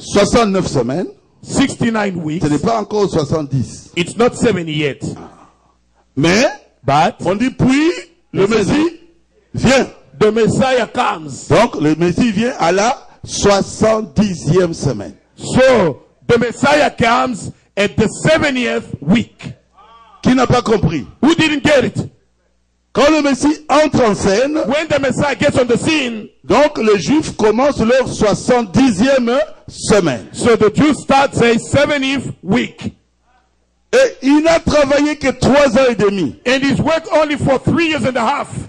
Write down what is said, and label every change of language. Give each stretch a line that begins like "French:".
French: 69 semaines.
English: 69 weeks.
French: Ce n'est pas encore 70.
English: It's not 70 yet.
French: Mais,
English: but,
French: on dit puis. Le Messie vient.
English: The Messiah comes.
French: Donc, le Messie vient à la 70e semaine.
English: So, the Messiah comes at the 70th week.
French: Qui n'a pas compris?
English: Who didn't get it?
French: Quand le Messie entre en scène,
English: when the Messiah gets on the scene,
French: donc les Juifs commencent leur 70e semaine.
English: So, the Jews start their 70th week.
French: Et il n'a travaillé que 3 ans et demi.
English: And he's worked only for 3 years and a half.